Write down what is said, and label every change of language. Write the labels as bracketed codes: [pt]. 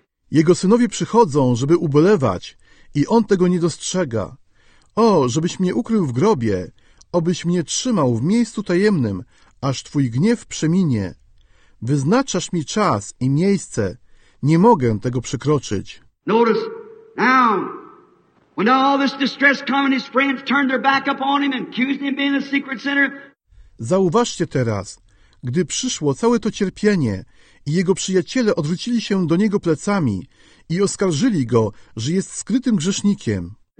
[pl] Jego synowie przychodzą, żeby ubolewać i on tego nie dostrzega. O, żebyś mnie ukrył w grobie, obyś mnie trzymał w miejscu tajemnym, aż Twój gniew przeminie. Wyznaczasz mi czas i miejsce. Nie mogę tego przekroczyć. [en] Notice, now, when all this distress come and his friends turn their back up on him and accused him of being a secret sinner. [pl] Zauważcie teraz, gdy przyszło całe to cierpienie i jego przyjaciele odwrócili się do niego plecami i oskarżyli go, że jest skrytym grzesznikiem.